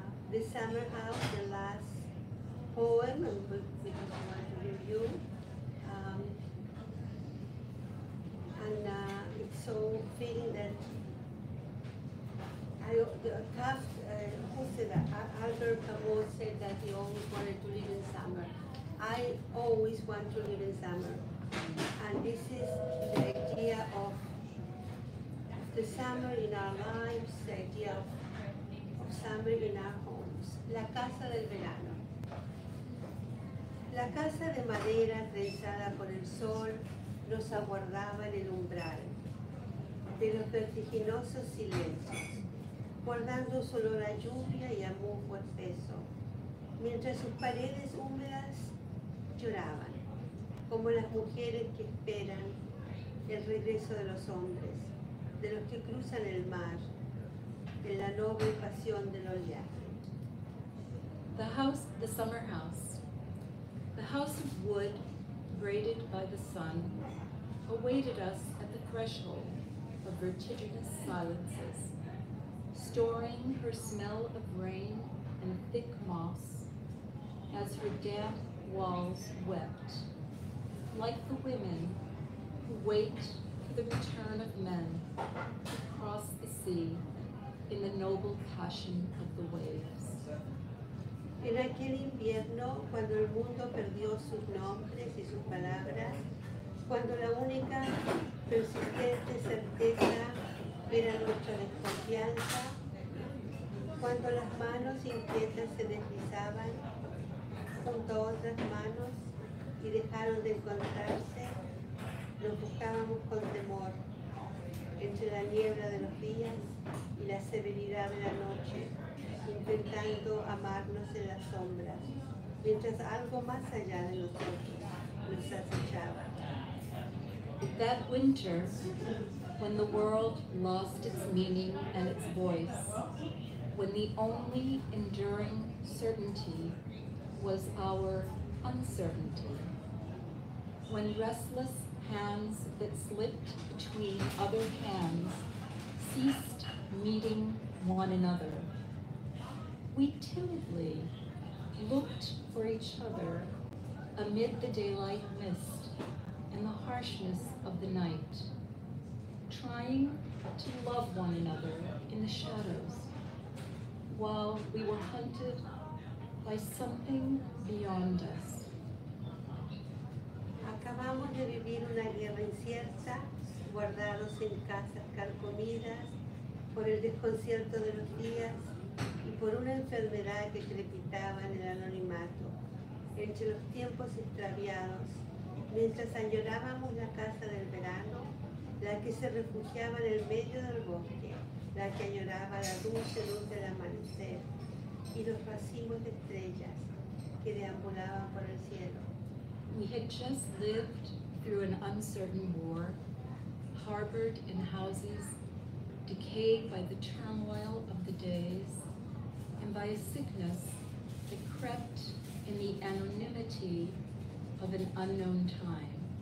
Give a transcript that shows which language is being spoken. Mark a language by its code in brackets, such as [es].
[en] The Summer House, the last poem, Albert Camus said that he always wanted to live in summer. I always want to live in summer. And this is the idea of the summer in our lives, the idea of summer in our homes. [es] La casa del verano. La casa de madera trenzada por el sol nos aguardaba en el umbral de los vertiginosos silencios, guardando su olor a lluvia y a musgo espeso, mientras sus paredes húmedas lloraban, como las mujeres que esperan el regreso de los hombres, de los que cruzan el mar en la noble pasión del oleaje. [en] The house, the summer house. The house of wood, braided by the sun, awaited us at the threshold of vertiginous silences. storing her smell of rain and thick moss as her damp walls wept, like the women who wait for the return of men to cross the sea in the noble passion of the waves. [es] En aquel invierno, cuando el mundo perdió sus nombres y sus palabras, cuando la única persistente certeza era nuestra desconfianza, cuando las manos inquietas se deslizaban junto a otras manos y dejaron de encontrarse, nos buscábamos con temor entre la niebla de los días y la severidad de la noche, intentando amarnos en las sombras, mientras algo más allá de nosotros nos acechaba. [en] That winter, when the world lost its meaning and its voice, when the only enduring certainty was our uncertainty, when restless hands that slipped between other hands ceased meeting one another, we timidly looked for each other amid the daylight mist and the harshness of the night, trying to love one another in the shadows, while we were hunted by something beyond us. [es] Acabamos de vivir una guerra incierta, guardados en casas carcomidas, por el desconcierto de los días y por una enfermedad que crepitaba en el anonimato, entre los tiempos extraviados, mientras añorábamos la casa del verano, la que se refugiaba en el medio del bosque, la que añoraba la dulce luz del amanecer y los racimos de estrellas que deambulaban por el cielo. [en] We had just lived through an uncertain war, harbored in houses, decayed by the turmoil of the days, and by a sickness that crept in the anonymity of an unknown time.